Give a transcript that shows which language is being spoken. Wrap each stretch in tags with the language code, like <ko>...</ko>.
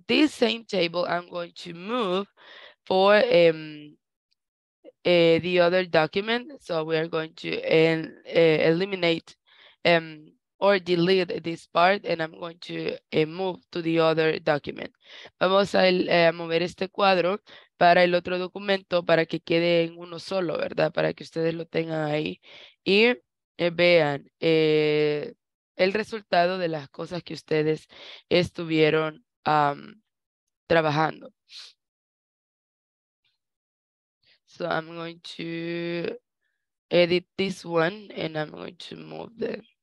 <en>This same table, I'm going to move for the other document. So we are going to eliminate or delete this part, and I'm going to move to the other document.</en> <es>Vamos a mover este cuadro para el otro documento para que quede en uno solo, ¿verdad? Para que ustedes lo tengan ahí y vean el resultado de las cosas que ustedes estuvieron trabajando.</es> <en>So I'm going to edit this one and I'm going to move the.</en>